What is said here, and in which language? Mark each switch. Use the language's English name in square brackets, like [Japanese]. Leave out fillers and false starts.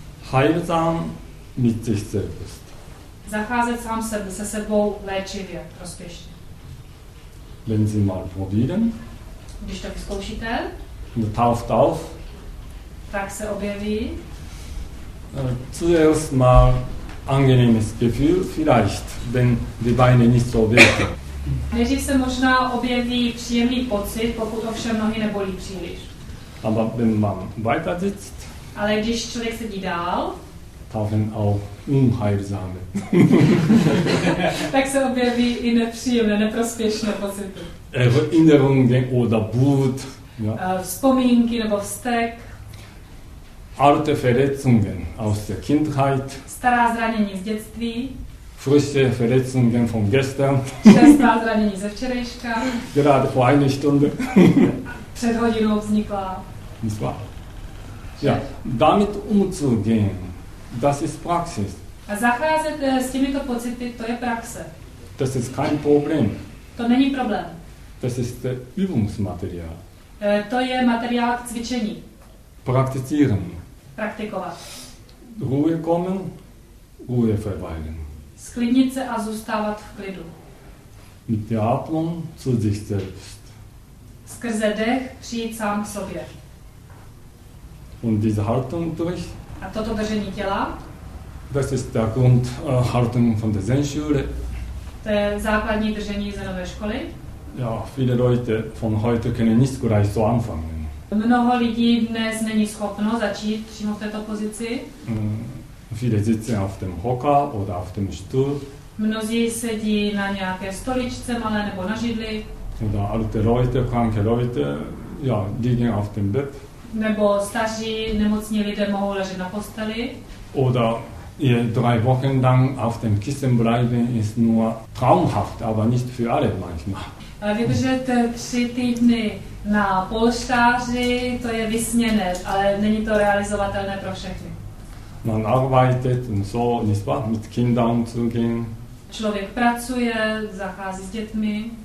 [German] Heilsam mit sich selbst. [Czech] Zacházet sám se sebou léčivě, prospěšně. [German] Wenn Sie mal probieren. [Czech] Když to vyzkoušíte. [German] Tauft auf. [Czech] Tak se objeví. [German] Zuerst mal angenehmes Gefühl, vielleicht, wenn die Beine nicht so wehtun. [Czech] Nejdřív se možná objeví příjemný pocit, pokud ovšem nohy nebolí příliš. [German] Aber wenn man weiter sitzt, [Czech] ale když člověk sedí dál, [German] tauchen auch unheilsame. [Czech] Tak se objeví i nepříjemné, neprospěšné pocity. [German] Erinnerungen oder Wut. Ja. [Czech] Vzpomínky nebo vztek. [German] Alte Verletzungen aus der Kindheit. [Czech] Stará zranění z dětství. [German] Frische Verletzungen von gestern. [Czech] Čerstvá zranění ze včerejška. [German] Gerade vor einer Stunde. [Czech] Před hodinou vznikla. Vznikla. [German] Ja, damit umzugehen, das ist Praxis. [Czech] A zacházet s těmito pocity, to je praxe. [German] Das ist kein Problem. [Czech] To není problém. [German] Das ist Übungsmaterial. [Czech] To je materiál k cvičení. [German] Praktizieren. [Czech] Praktikovat. [German] Ruhe kommen, Ruhe verweilen. [Czech] Sklidnit se a zůstávat v klidu. [German] Mit der Atmung zu sich selbst. [Czech] Skrze dech přijít sám k sobě. [German] Und diese Haltung durch. [Czech] A toto držení těla. [German] Das ist der Grund, Haltung von der Zen-Schule. [Czech] To je základní držení zenové školy. [German] Ja, viele Leute von heute können nicht gleich so anfangen. [Czech] Mnoho lidí dnes není schopno začít přímo v této pozici. [German] Viele sitzen auf dem Hocker oder auf dem Stuhl. [Czech] Mnozí sedí na nějaké stoličce malé nebo na židli. [German] Oder alte Leute, kranke Leute, ja, liegen auf dem Bett. [Czech] Nebo staří nemocní lidé mohou ležet na posteli. [German] Oder je drei Wochen lang auf dem Kissen bleiben ist nur traumhaft, aber nicht für alle manchmal. [Czech] Vydržet tři týdny na polštáři, to je vysněné, ale není to realizovatelné pro všechny. [German] Man arbeitet und so, nicht wahr, mit Kindern umzugehen. [Czech] Člověk pracuje, zachází s dětmi,